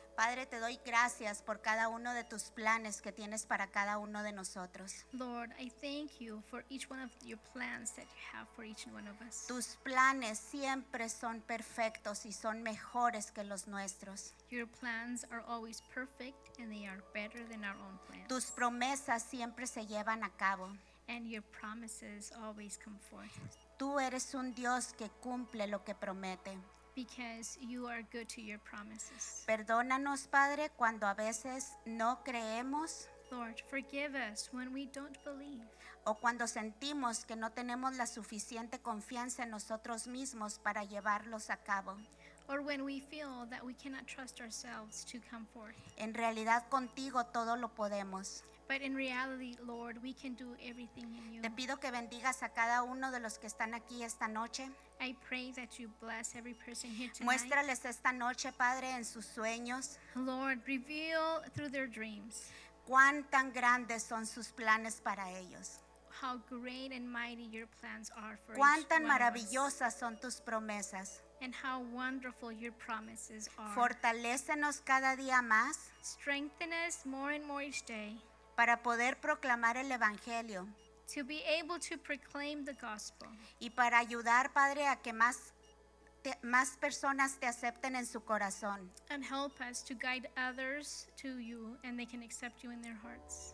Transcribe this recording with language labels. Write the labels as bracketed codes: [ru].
[es] Padre, te doy gracias por cada uno de tus planes que tienes para cada uno de nosotros. [en] Lord, I thank you for each one of your plans that you have for each one of us. [es] Tus planes siempre son perfectos y son mejores que los nuestros. [en] Your plans are always perfect and they are better than our own plans. [es] Tus promesas siempre se llevan a cabo. [en] And your promises always come forth. [es] Tú eres un Dios que cumple lo que promete. [en] Because you are good to your promises. [es] Perdónanos, Padre, cuando a veces no creemos. [en] Lord, forgive us when we don't believe. [es] O cuando sentimos que no tenemos la suficiente confianza en nosotros mismos para llevarlos a cabo. [en] Or when we feel that we cannot trust ourselves to come forth. [es] En realidad, contigo todo lo podemos. [en] But in reality, Lord, we can do everything in you. [es] Te pido que bendigas a cada uno de los que están aquí esta noche. [en] I pray that you bless every person here tonight. [es] Muéstrales esta noche, Padre, en sus sueños. [en] Lord, reveal through their dreams. [es] Cuán tan grandes son sus planes para ellos. [en] How great and mighty your plans are for us. [es] Cuán tan maravillosas son tus promesas. [en] And how wonderful your promises are. [es] Fortalécenos cada día más. [en] Strengthen us more and more each day. [es] Para poder proclamar el Evangelio. [en] To be able to proclaim the gospel. [es] Y para ayudar, Padre, a que más personas te acepten en su corazón. [en] And help us to guide others to you and they can accept you in their hearts.